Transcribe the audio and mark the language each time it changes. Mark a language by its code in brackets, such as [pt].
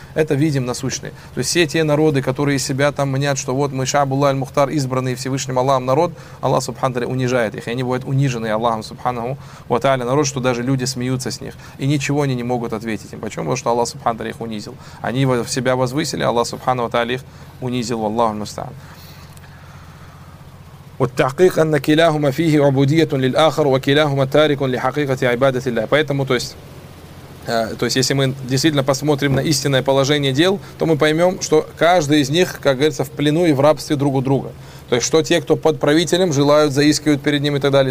[ru] Это видим насущные. То есть все те народы, которые из себя там мнят, что вот мы [ar] Шабуллах аль-Мухтар, [ru] избранный Всевышним Аллахом народ, Аллах Субханаху унижает их. И они бывают унижены Аллахом Субханаху ва Тааля народ, что даже люди смеются с них. И ничего они не могут ответить им. Почему? Потому что Аллах Субханаху их унизил. Они в себя возвысили, Аллах Субханаху ва Тааля их унизил. Валлаху аль-Мустаан. [ar] والتحقيق أن كلاهما فيه عبودية للآخر وكلاهما تارك لحقيقة عبادة الله. [ru] Поэтому, то есть, если мы действительно посмотрим на истинное положение дел, то мы поймем, что каждый из них, как говорится, в плену и в рабстве друг у друга. То есть, что те, кто под правителем, желают, заискивают перед ним и так далее.